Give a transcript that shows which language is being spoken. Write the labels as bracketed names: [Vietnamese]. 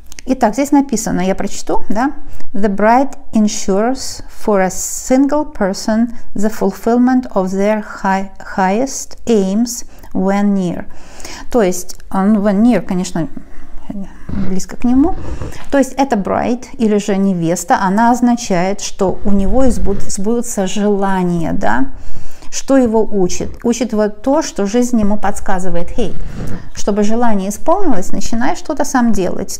[Russian] Итак, здесь написано, я прочту, да? [English] The bride ensures for a single person the fulfillment of their highest aims when near. [Russian] То есть, [English] when near, [Russian] конечно, близко к нему. То есть, это bride или же невеста, она означает, что у него сбудутся желания, да? Что его учит? Учит вот то, что жизнь ему подсказывает. Hey, чтобы желание исполнилось, начинай что-то сам делать.